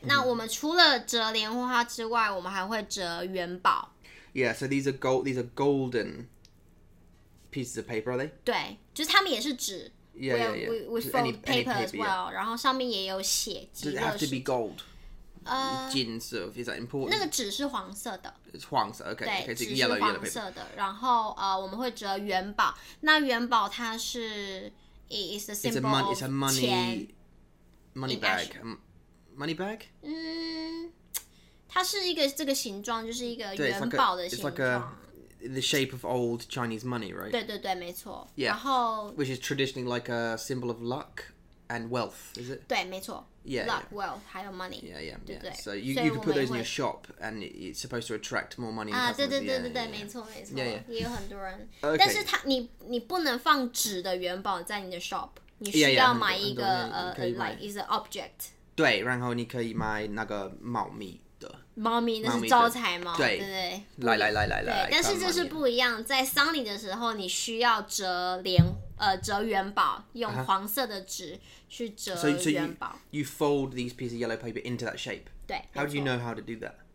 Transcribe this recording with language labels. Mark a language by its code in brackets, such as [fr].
[zh] 那我们除了折莲花之外，我们还会折元宝。 [en] Yeah. So these are gold. These are golden pieces of paper, are they? [zh] 对，就是它们也是纸。 [en] Yeah. We fold paper as well. [zh] 然后上面也有写。 [en] Does it have to be gold? 金色 is that important? [zh] 那个纸是黄色的。 [en] It's 黄色 ，OK。 [zh] 对，纸是黄色的。然后我们会折元宝。那元宝它是 [en] ，it's the symbol of money. It's a money bag. Money bag? [zh] 它是一个这个形状，就是一个元宝的形状。 [en] In the shape of old Chinese money, right? [zh] 对对对，没错。 [en] Yeah. [zh] 然后 [en] which is traditionally like a symbol of luck. And wealth, is it? [zh] 对，没错。 [en] Yeah. Luck, wealth, [zh] 还有 [en] money. Yeah, yeah, [zh] 对对 [en] yeah. So you can put those in your shop, and it's supposed to attract more money. [zh] 啊，对对对对对， [en] yeah, [zh] 没错、 [en] yeah. [zh] 没错。 [en] Yeah, yeah. [zh] 也有很多人。 [en] Okay. [zh] 但是你不能放纸的元宝在你的 shop. 你需要买一个 [en] yeah, yeah, like is an object. [zh] 对，然后你可以买那个猫咪的。猫咪那是招财猫，对不对？来来来来来。但是这是不一样，在丧礼的时候，你需要折莲。折元宝，用黄色的纸去折元宝。 [en] So you fold these pieces of yellow paper into that shape. [zh] 对。 [en] How do you know how to do that?